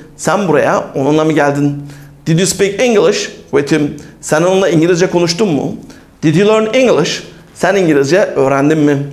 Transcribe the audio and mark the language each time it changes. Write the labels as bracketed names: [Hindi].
[Turkish] Sen buraya onunla mı geldin? [English] Did you speak English with him? [Turkish] Sen onunla İngilizce konuştun mu? [English] Did you learn English? [Turkish] Sen İngilizce öğrendin mi?